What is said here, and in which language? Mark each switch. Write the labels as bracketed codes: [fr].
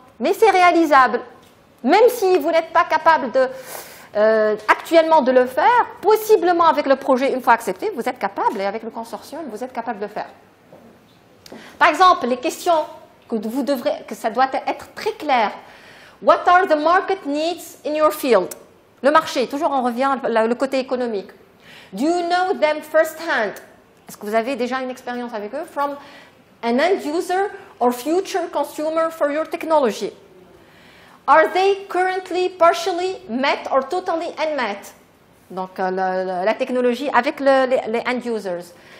[fr] Mais c'est réalisable. Même si vous n'êtes pas capable de, actuellement de le faire, possiblement avec le projet, une fois accepté, vous êtes capable, et avec le consortium, vous êtes capable de le faire. Par exemple, les questions que vous devrez, que ça doit être très clair. [en] What are the market needs in your field? [fr] Le marché, toujours on revient le côté économique. [en] Do you know them firsthand? [fr] Est-ce que vous avez déjà une expérience avec eux? [en] From an end user or future consumer for your technology? Are they currently partially met or totally unmet? [fr] Donc la technologie avec les end users.